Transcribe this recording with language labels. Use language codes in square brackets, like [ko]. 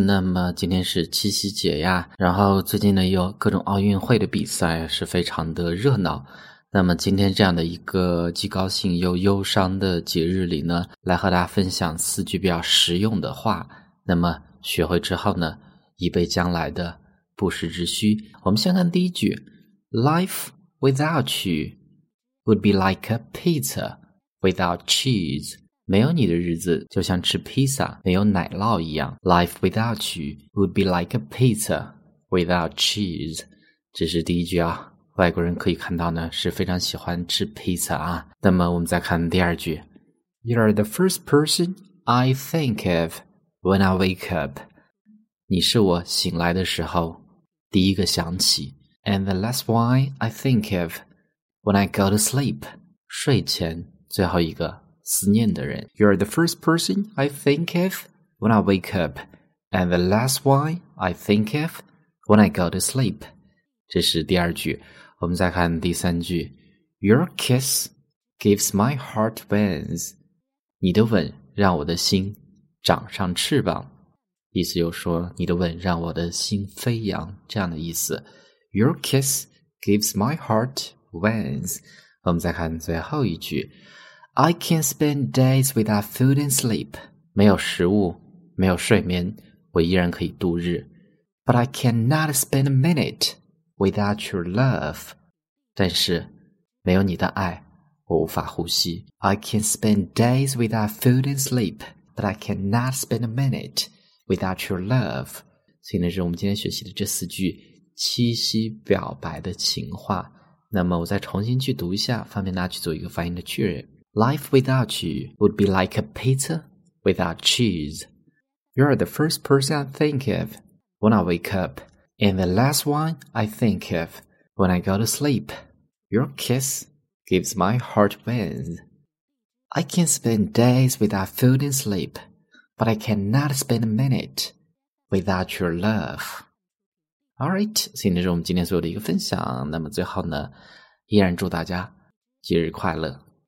[zh] 那么今天是七夕节呀，然后最近呢有各种奥运会的比赛，是非常的热闹。那么今天这样的一个既高兴又忧伤的节日里呢，来和大家分享四句比较实用的话。那么学会之后呢，以备将来的不时之需。我们先看第一句： [en] Life without you would be like a pizza without cheese。 [zh] 没有你的日子就像吃披萨没有奶酪一样。 [en] Life without you would be like a pizza without cheese。 [zh] 这是第一句啊，外国人可以看到呢，是非常喜欢吃披萨啊。那么我们再看第二句。 [en] You are the first person I think of when I wake up。 [zh] 你是我醒来的时候第一个想起。 [en] And the last one I think of when I go to sleep。 [zh] 睡前最后一个。思念的人。 [en] You are the first person I think of when I wake up, and the last one I think of when I go to sleep. [zh] 这是第二句。我们再看第三句。 [en] Your kiss gives my heart wings. [zh] 你的吻让我的心长上翅膀。意思就是说你的吻让我的心飞扬，这样的意思。 [en] Your kiss gives my heart wings. [zh] 我们再看最后一句。 [en] I can spend days without food and sleep. [zh] 没有食物，没有睡眠，我依然可以度日。 [en] But I cannot spend a minute without your love. [zh] 但是，没有你的爱，我无法呼吸。 [en] I can spend days without food and sleep, but I cannot spend a minute without your love. [zh] 所以呢，是我们今天学习的这四句七夕表白的情话。那么，我再重新去读一下，方便大家去做一个发音的确认。 [en] Life without you would be like a pizza without cheese. You are the first person I think of when I wake up, and the last one I think of when I go to sleep. Your kiss gives my heart wings. I can spend days without food and sleep, but I cannot spend a minute without your love. [zh] Alright, 所以这是我们今天所有的一个分享。那么最后呢，依然祝大家节日快乐。